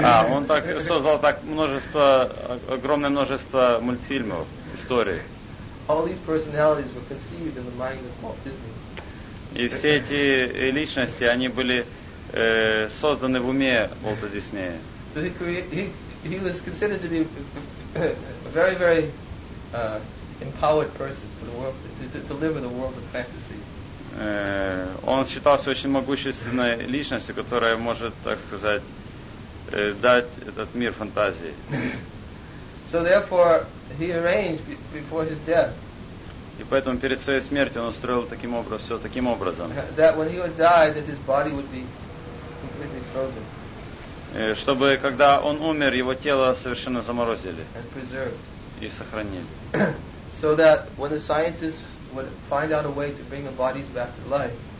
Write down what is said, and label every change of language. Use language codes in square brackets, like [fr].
[ru] Он так создал так множество, огромное множество мультфильмов, историй. [en] All these personalities were conceived in the mind of Walt Disney. [ru] И все эти личности, они были созданы в уме Уолта Диснея. [en] So he was considered to be a very, very empowered person for the world to deliver the world of fantasy. [ru] Он считался очень могущественной личностью, которая может, так сказать, дать этот мир фантазии. [en] So therefore, he arranged before his death. [ru] И поэтому перед своей смертью он устроил таким образом, все таким образом. [en] That when he would die, that his body would be completely frozen. [ru] Чтобы когда он умер, его тело совершенно заморозили. [en] And preserved. [ru] И сохранили. [en] So that when the scientists would find out a way to bring the bodies back to life.